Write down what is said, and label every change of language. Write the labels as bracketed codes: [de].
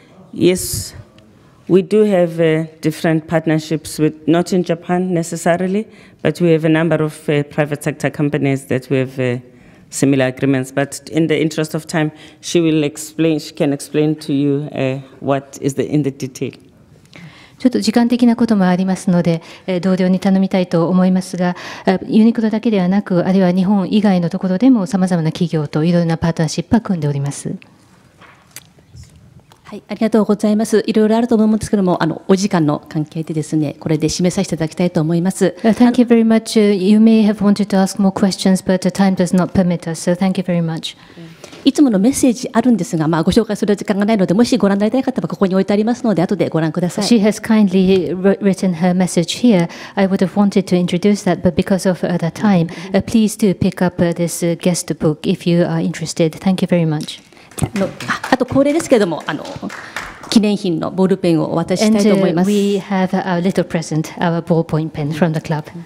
[en] Yes, we do have different partnerships with, not in Japan necessarily, but we have a number of private sector companies that we have. Similar agreements, but in the interest of time, she can explain to you what is in the detail. [ja] ちょっと時間的なこともありますので、同僚に頼みたいと思いますが、ユニクロだけではなく、あるいは日本以外のところでも、さまざまな企業といろいろなパートナーシップは組んでおります。はい、ありがとうございます。いろいろあると思うんですけども、お時間の関係でですね、これで締めさせていただきたいと思います。 [en] Thank you very much. You may have wanted to ask more questions, but the time does not permit us. So thank you very much. [ja] いつものメッセージあるんですが、ご紹介する時間がないので、もしご覧になりたい方はここに置いてありますので、後でご覧ください。 [en] She has kindly written her message here. I would have wanted to introduce that, but because of the time, please do pick up this guest book if you are interested. Thank you very much. [ja] あと恒例ですけれども、記念品のボールペンをお渡ししたいと思います。 [en] And, we have our little present, our ballpoint pen from the club.